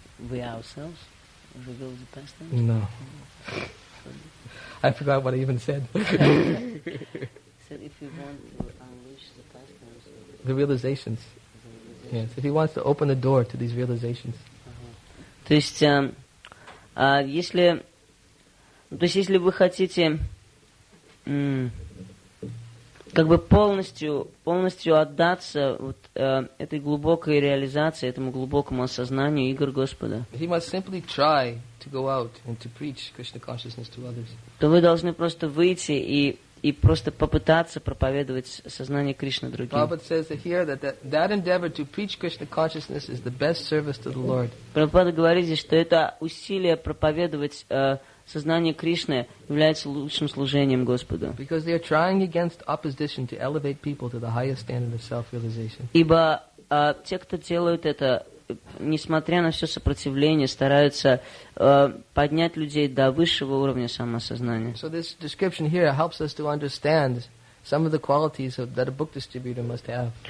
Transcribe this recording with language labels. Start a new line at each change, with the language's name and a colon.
English: We ourselves reveal the past. No. I forgot what I even said. So if you want to unleash the past, the realizations. Yes, if he wants to open the door to these realizations.
Russian: То есть, если вы хотите как бы полностью отдаться вот этой глубокой реализации, этому глубокому осознанию игр Господа,
English: he must simply try to go out and to preach Krishna consciousness to others.
Russian: То вы должны просто выйти и просто попытаться проповедовать сознание Кришны другим.
English: Prabhupada says here that endeavor to preach Krishna consciousness is the best service to the Lord.
Russian: Prabhupada говорит здесь, что это усилие проповедовать сознание Кришны является лучшим служением Господу.
English: Because they are trying against opposition to elevate people to the highest standard of self-realization.
Russian: Ибо те, кто делают это, несмотря на все сопротивление, стараются поднять людей до высшего уровня самосознания.
English: So this description here helps us to understand some of the qualities that a book distributor must have.